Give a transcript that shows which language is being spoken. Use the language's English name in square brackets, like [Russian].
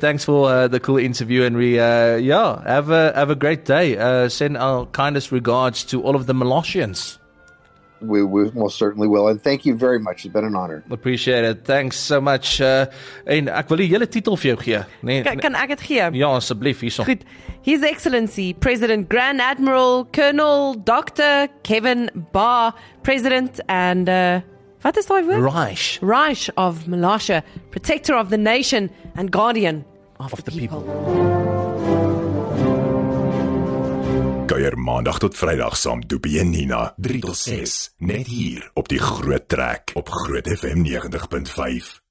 [English] Thanks for the cool interview, and have a great day. Send our kindest regards to all of the Molossians. We most certainly will, and thank you very much. It's been an honor. Appreciate it. Thanks so much. [Afrikaans] En ek wil die hele titel vir jou gee. Kan ek het gee? Ja, asseblief, hierso. [English] Goed. His Excellency, President Grand Admiral, Colonel, Dr. Kevin Baugh, President and... [Afrikaans] wat is daai woord? [English] Reich. Reich of Molossia, protector of the nation and guardian of the people. [Afrikaans] Kuier maandag tot vrijdag saam Doepie en Nina, 3 tot 6, net hier op die Groot Trek, op Groot FM 90.5.